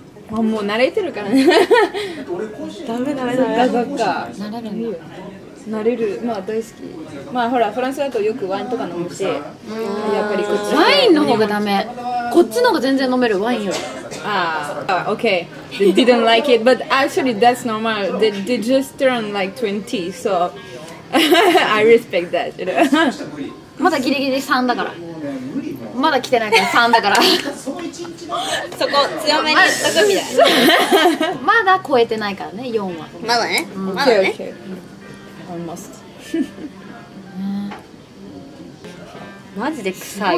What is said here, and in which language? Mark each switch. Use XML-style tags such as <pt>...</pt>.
<ja>まあ、もう慣れてるからね。ダメダメダメ。だがか。慣れる。まあ大好き。まあほらフランスだとよくワインとか飲むし、やっぱりこっち。ワインの方がダメ。こっちの方が全然飲める、ワインより。</ja> <en>ああ、okay. They didn't like it, but actually that's normal. They just turned like 20, so I respect that.</en> <ja>まだギリギリ3だから。まだ来てないから3だから。そこ強めにしとくみたいな。まだ超えてないからね、4は。まだね。まだね。</ja> <en>Okay, okay. Almost.</en> <ja>マジで臭い、</ja>